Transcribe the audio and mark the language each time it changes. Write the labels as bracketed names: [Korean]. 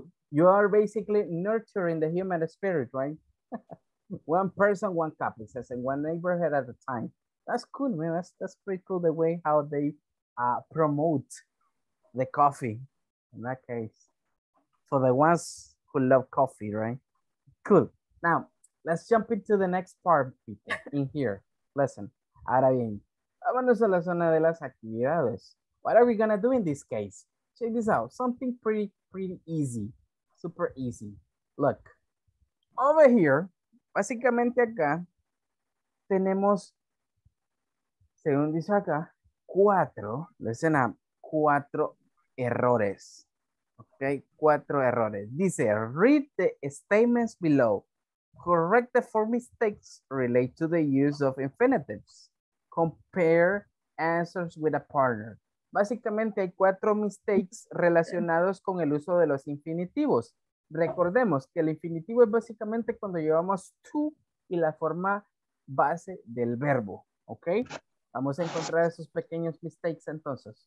[English] You are basically nurturing the human spirit, right? One person, one cup, it says, in one neighborhood at a time. That's cool, man. That's pretty cool the way how they promote the coffee in that case. For the ones who love coffee, right? Cool. Now, let's jump into the next part, people, in here. Listen. [Spanish] Ahora bien, vámonos a la zona de las actividades. [English] What are we going to do in this case? Check this out. Something pretty easy. Super easy. Look. [Spanish] Over here, básicamente acá, tenemos, según dice acá, cuatro, listen up, cuatro errores. Okay, cuatro errores. Dice, [English] read the statements below. Correct the four mistakes relate to the use of infinitives. Compare answers with a partner. [Spanish] Básicamente hay cuatro mistakes relacionados con el uso de los infinitivos. Recordemos que el infinitivo es básicamente cuando llevamos to y la forma base del verbo. Ok, vamos a encontrar esos pequeños mistakes entonces.